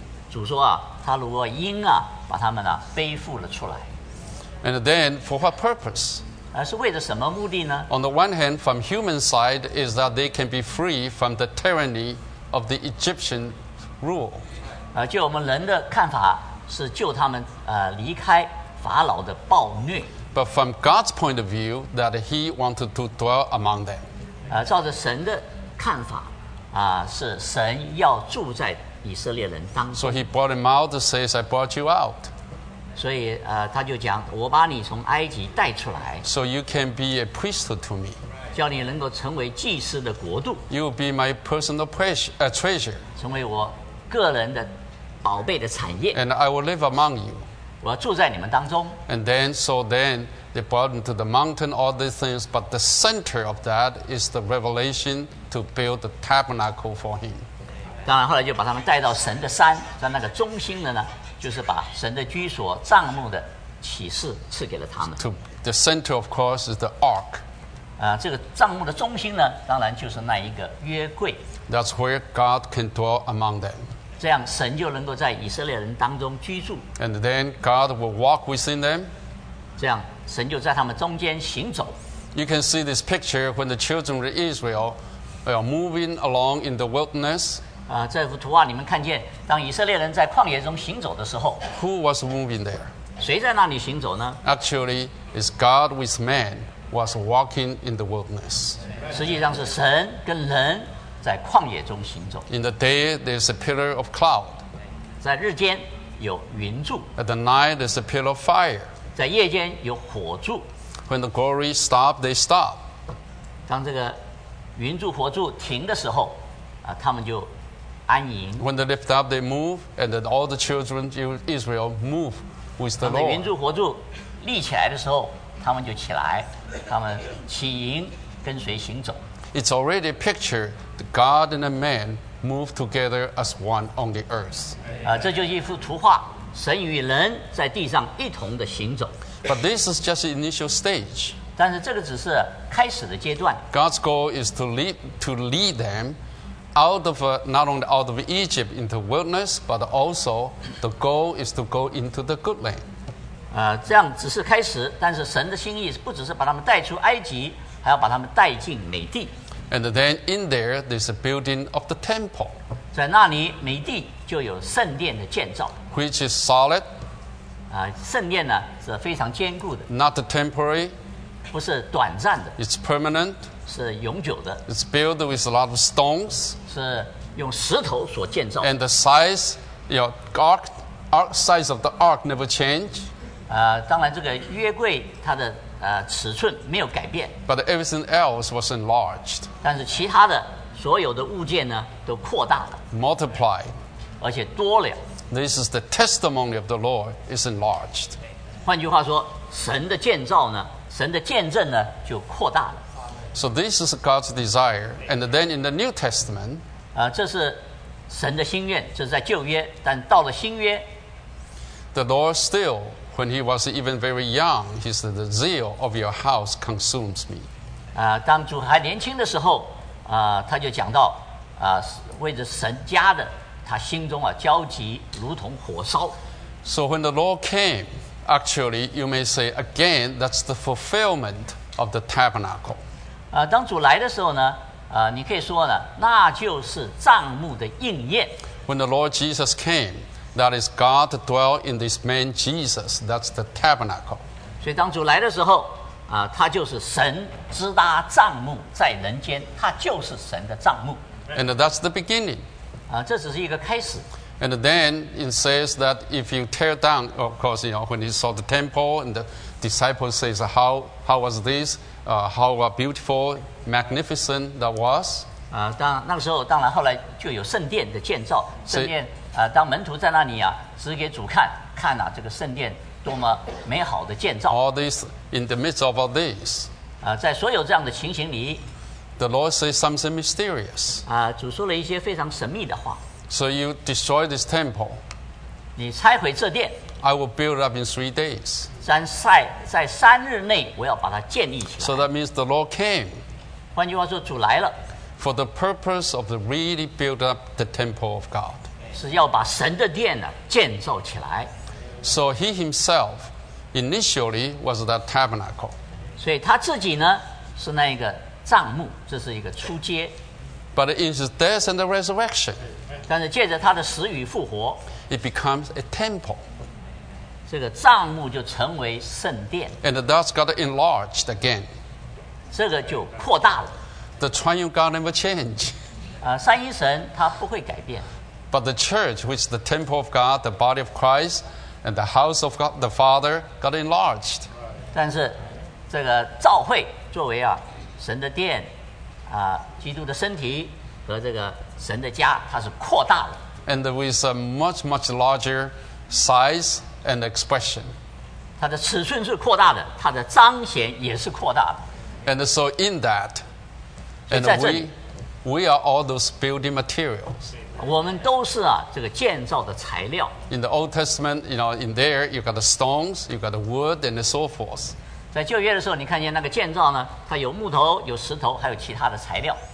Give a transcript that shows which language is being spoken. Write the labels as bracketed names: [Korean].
[Chinese] 主说啊，他如果鹰啊，把他们呢背负了出来。 [English] And then for what purpose? [Chinese] 是为着什么目的呢 [English] ？On the one hand, from human side, is that they can be free from the tyranny of the Egyptian. Rule. [Chinese] 就我们人的看法是救他们离开法老的暴虐。 [English] But from God's point of view, that He wanted to dwell among them. [Chinese] 照着神的看法是神要住在以色列人当中。 [English] So He brought him out, says, "I brought you out." [Chinese] 所以他就讲，我把你从埃及带出来。 [English] So you can be a priesthood to me. [Chinese] 叫你能够成为祭司的国度 [English] You will be my personal treasure [Chinese] 成为我个人的宝贝的产业 [English] And I will live among you [Chinese] 我要住在你们当中 [English] And then, so then, they brought into the mountain all these things But the center of that is the revelation to build the tabernacle for him [Chinese] 当然后来就把他们带到神的山在那个中心的呢就是把神的居所帐幕的启示赐给了他们 [English] The center, of course, is the ark [Chinese] 这个帐幕的中心呢，当然就是那一个约柜。 [English] That's where God can dwell among them. [Chinese] 这样神就能够在以色列人当中居住。 [English] And then God will walk within them. [Chinese] 这样神就在他们中间行走。 [English] You can see this picture when the children of Israel are moving along in the wilderness. [Chinese] 这幅图画你们看见，当以色列人在旷野中行走的时候。 [English] Who was moving there? [Chinese] 谁在那里行走呢？ [English] Actually, it's God with man was walking in the wilderness. [Chinese] 实际上是神跟人在旷野中行走。 [English] In the day, there's a pillar of cloud. [Chinese] 在日间有云柱。 [English] At the night, there's a pillar of fire. [Chinese] 在夜间有火柱。 [English] When the glory stop, they stop. [Chinese] 当这个云柱火柱停的时候，他们就安营。 [English] When they lift up, they move, and then all the children of Israel move with the Lord. [Chinese] 云柱火柱立起来的时候，他们就起来，他们起营，跟随行走。 [English] It's already a picture that God and a man move together as one on the earth. [Chinese] 这就是一幅图画，神与人在地上一同的行走。 [English] But this is just the initial stage. [Chinese] 但是这个只是开始的阶段。 [English] God's goal is to lead them out of not only out of Egypt into wilderness, but also the goal is to go into the good land. [Chinese] 这样只是开始，但是神的心意不只是把他们带出埃及。还要把他们带进美地。 [English] And then in there, there's a building of the temple. [Chinese] 在那里，美地就有圣殿的建造。 [English] Which is solid. [Chinese] 圣殿呢是非常坚固的。 [English] Not temporary. [Chinese] 不是短暂的。 [English] It's permanent. [Chinese] 是永久的。 [English] It's built with a lot of stones. [Chinese] 是用石头所建造。 [English] And the size, size of the ark never changed. [Chinese] 当然这个约柜它的尺寸没有改变。 [English] But everything else was enlarged. [Chinese] 但是其他的所有的物件呢都扩大了。 [English] Multiplied. [Chinese] 而且多了。 [English] This is the testimony of the Lord is enlarged. [Chinese] 换句话说，神的建造呢，神的见证呢就扩大了。 [English] So this is God's desire. And then in the New Testament. [Chinese] 这是神的心愿，这是在旧约，但到了新约。 [English] The Lord still,When he was even very young, he said, "The zeal of your house consumes me." [Chinese] 当主还年轻的时候，他就讲到，为着神家的，他心中焦急如同火烧。 [English] So when the Lord came, actually, you may say again, that's the fulfillment of the tabernacle. [Chinese] 当主来的时候呢，你可以说呢，那就是帐幕的应验。 [English] When the Lord Jesus came. That is God dwell in this man Jesus. That's the tabernacle. [Chinese] 所以当主来的时候，他就是神支搭帐幕在人间，他就是神的帐幕。 [English] And that's the beginning. [Chinese] 这只是一个开始。 [English] And then it says that if you tear down, of course, when he saw the temple, and the disciples says, how was this? How beautiful, magnificent that was. [Chinese] 当那个时候，当然后来就有圣殿的建造，圣殿。当门徒在那里指给主看，看这个圣殿多么美好的建造。 [English] All this in the midst of all this. [Chinese] 在所有这样的情形里 [English] ，The Lord says something mysterious. [Chinese] 主说了一些非常神秘的话。 [English] So you destroy this temple. [Chinese] 你拆毁这殿。 [English] I will build up in 3 days. [Chinese] 在三日内，我要把它建立起来。 [English] So that means the Lord came. [Chinese] 换句话说，主来了。 [English] For the purpose of really build up the temple of God. [Chinese] 是要把神的殿建造起来。 [English] So he himself initially was that tabernacle. [Chinese] 所以他自己呢是那个帐幕，这是一个初阶。 [English] But in his death and the resurrection, [Chinese] 但是借着他的死与复活 [English] ，it becomes a temple. [Chinese] 这个帐幕就成为圣殿。 [English] And thus got enlarged again. [Chinese] 这个就扩大了。 [English] The triune God never change. [Chinese] 三一神他不会改变。 [English] But the church, which is the temple of God, the body of Christ, and the house of God, the Father, got enlarged. [Chinese] 但是这个召会作为神的殿，基督的身体和这个神的家，它是扩大了。 [English] And with a much, much larger size and expression. [Chinese] 它的尺寸是扩大的，它的彰显也是扩大的。 [English] And so in that, and we are all those building materials. [Chinese] 我们都是这个建造的材料。 [English] In the Old Testament, in there you got the stones, you got the wood, and so forth. [Chinese] 在旧约的时候，你看见那个建造呢，它有木头、有石头，还有其他的材料。